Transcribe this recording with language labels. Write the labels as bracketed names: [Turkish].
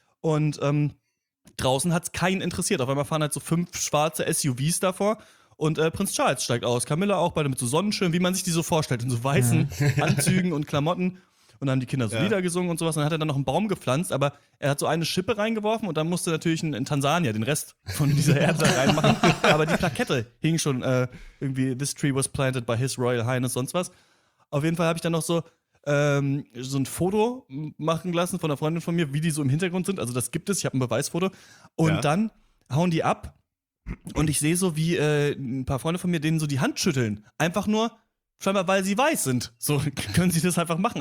[German] Und draußen hat es keinen interessiert. Auf einmal fahren halt so 5 schwarze SUVs davor. Und Prinz Charles steigt aus. Camilla auch beide mit so Sonnenschirmen, wie man sich die so vorstellt. In so weißen Anzügen und Klamotten. Und dann haben die Kinder so Lieder gesungen und sowas. Und dann hat er dann noch einen Baum gepflanzt, aber er hat so eine Schippe reingeworfen und dann musste natürlich in Tansania den Rest von dieser Erde reinmachen. Aber die Plakette hing schon irgendwie, [English] this tree was planted by his royal highness, [German] sonst was. Auf jeden Fall habe ich dann noch so ein Foto machen lassen von einer Freundin von mir, wie die so im Hintergrund sind. Also das gibt es, ich habe ein Beweisfoto. Und dann hauen die ab und ich sehe so, wie ein paar Freunde von mir denen so die Hand schütteln. Einfach nur, scheinbar, weil sie weiß sind, so können sie das einfach machen.